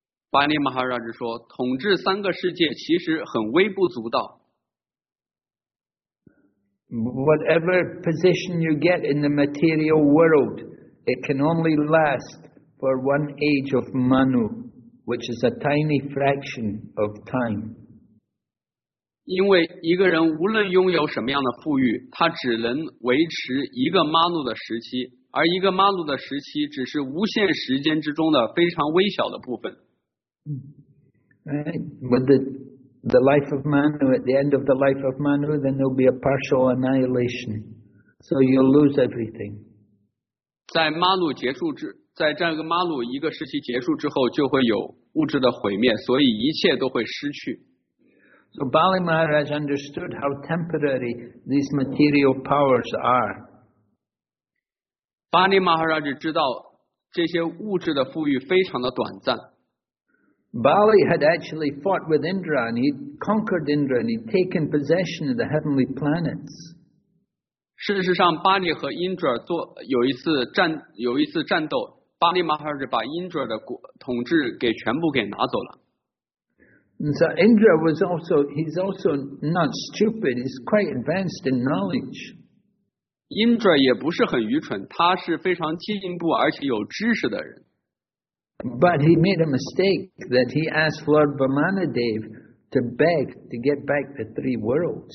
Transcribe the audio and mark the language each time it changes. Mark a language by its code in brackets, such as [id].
[zh] Bali Maharaj 说，统治三个世界其实很微不足道。 [en] Whatever position you get in the material world, it can only last for 1 age of Manu, which is a tiny fraction of time. [zh] 因为一个人无论拥有什么样的富裕，他只能维持一个玛努的时期，而一个玛努的时期只是无限时间之中的非常微小的部分。 [en] With the life of Manu, at the end of the life of Manu, then there'll be a partial annihilation, so you'll lose everything. [zh] 在玛努结束在这样一个马鲁一个时期结束之后，就会有物质的毁灭，所以一切都会失去。 [en] So Bali Maharaj understood how temporary these material powers are. [zh] Bali Maharaj 知道这些物质的富裕非常的短暂。 [en] Bali had actually fought with Indra, and he conquered Indra, and he'd taken possession of the heavenly planets. [zh] 事实上，巴利和印度尔做有一次战斗，巴利马哈日把印度尔的统治给全部给拿走了。 [en] And so Indra was also, he's also not stupid, he's quite advanced in knowledge. [zh] Indra 也不是很愚蠢，他是非常进步而且有知识的人。 [en] But he made a mistake that he asked Lord Vamanadev to beg to get back the three worlds.